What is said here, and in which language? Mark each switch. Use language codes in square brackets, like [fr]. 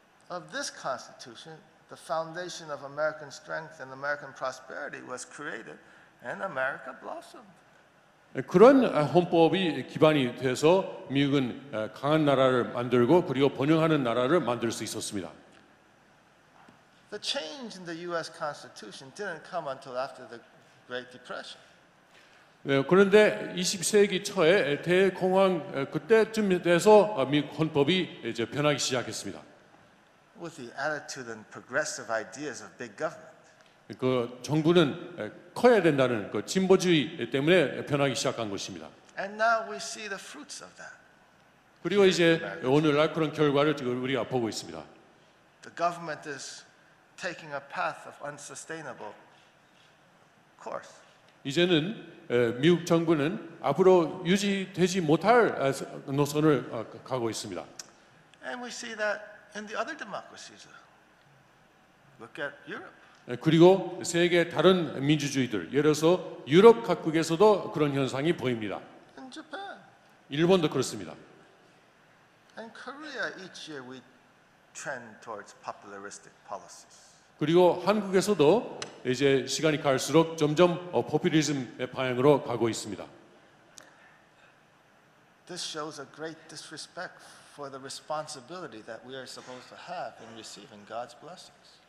[en] of this Constitution, the foundation of American strength and American prosperity was created, and America blossomed. [ko] 그런 헌법이 기반이 돼서 미국은 강한 나라를 만들고 그리고 번영하는 나라를 만들 수 있었습니다. [en] The change in the U.S. Constitution didn't come until after the Great Depression. [ko] 네, 그런데 20세기 초에 대공황 그때쯤 돼서 미국 헌법이 이제 변하기 시작했습니다. [en] With the attitude and progressive ideas of big government. [ko] 그 정부는 커야 된다는 그 진보주의 때문에 변하기 시작한 것입니다. [en] And now we see the fruits of that. [ko] 그리고 이제 오늘날 그런 결과를 지금 우리가 보고 있습니다. [en] The government is taking a path of unsustainable course. [ko] 이제는 미국 정부는 앞으로 유지되지 못할 노선을 가고 있습니다. [en] And we see that in the other democracies. Look at Europe. [ko] 그리고 세계 다른 민주주의들, 예를 들어서 유럽 각국에서도 그런 현상이 보입니다. [en] In Japan. [ko] 일본도 그렇습니다. [en] And Korea each year we trend towards popularistic policies. [ko] 그리고 한국에서도 이제 시간이 갈수록 점점 포퓰리즘의 방향으로 가고 있습니다. [en] This shows a great disrespect for the responsibility that we are supposed to have in receiving God's blessings.